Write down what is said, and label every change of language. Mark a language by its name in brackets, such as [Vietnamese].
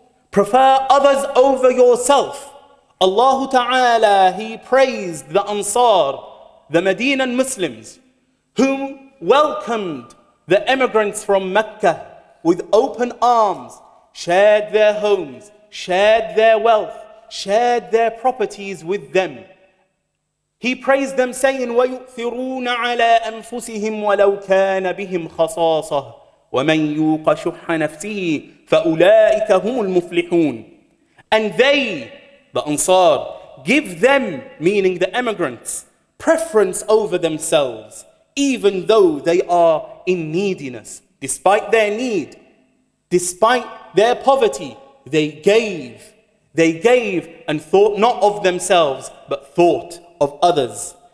[English] Prefer others over yourself. Allah Ta'ala, He praised the Ansar, the Medinan Muslims, whom welcomed the emigrants from Mecca with open arms, shared their homes, shared their wealth, shared their properties with them. He praised them, saying, [Arabic] وَيُؤْثِرُونَ عَلَىٰ أَنفُسِهِمْ وَلَوْ كَانَ بِهِمْ خَصَاصَةٌ وَمَنْ يُوقَ شُحَّ نَفْسِهِ فَأُولَٰئِكَ هُمُ الْمُفْلِحُونَ. [English] And they, the Ansar, give them, meaning the emigrants, preference over themselves, even though they are in neediness. Despite their need, despite their poverty, they gave and thought not of themselves, but thought of others.